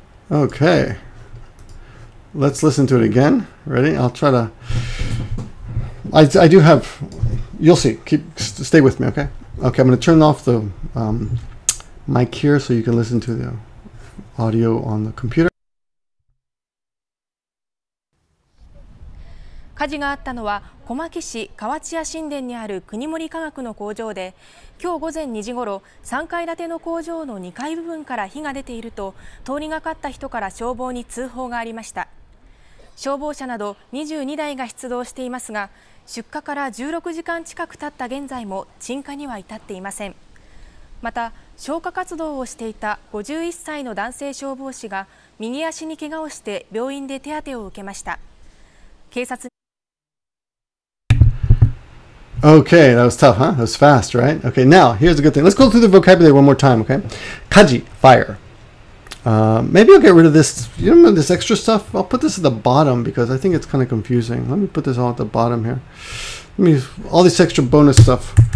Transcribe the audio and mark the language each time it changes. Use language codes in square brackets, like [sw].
[en] Okay. Let's listen to it again. Ready? I'll try to... I do have... You'll see. Keep stay with me, okay? Okay, I'm going to turn off the mic here so you can listen to the audio on the computer. [ja] 火事があったのは小牧市河内屋新田にある国盛化学の工場で、今日午前2時ごろ、3階建ての工場の2階部分から火が出ていると通りがかった人から消防に通報がありました。消防車など22台が出動していますが、出火から16時間近く経った現在も鎮火には至っていません。また消火活動をしていた51歳の男性消防士が右足に怪我をして病院で手当てを受けました。警察。 [en] Okay, that was tough, huh? That was fast, right? Okay, now, here's a good thing. Let's go through the vocabulary one more time, okay? Kaji, fire. Maybe I'll get rid of this. You know this extra stuff? I'll put this at the bottom because I think it's kind of confusing. Let me put this all at the bottom here. Let me, all this extra bonus stuff.